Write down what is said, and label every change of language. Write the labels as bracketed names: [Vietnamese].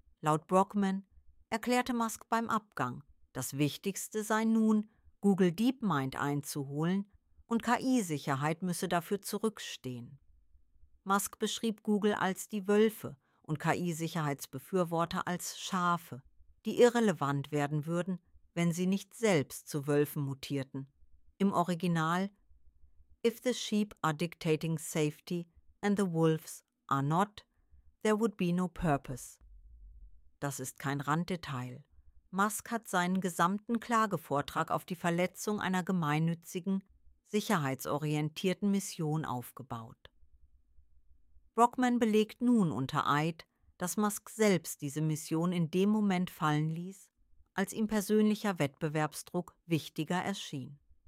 [German] Laut Brockman erklärte Musk beim Abgang, das Wichtigste sei nun, Google DeepMind einzuholen und KI-Sicherheit müsse dafür zurückstehen. Musk beschrieb Google als die Wölfe und KI-Sicherheitsbefürworter als Schafe, die irrelevant werden würden, wenn sie nicht selbst zu Wölfen mutierten. Im Original: [English] If the sheep are dictating safety and the wolves are not, there would be no purpose. [German] Das ist kein Randdetail. Musk hat seinen gesamten Klagevortrag auf die Verletzung einer gemeinnützigen, sicherheitsorientierten Mission aufgebaut. Brockman belegt nun unter Eid, dass Musk selbst diese Mission in dem Moment fallen ließ, als ihm persönlicher Wettbewerbsdruck wichtiger erschien.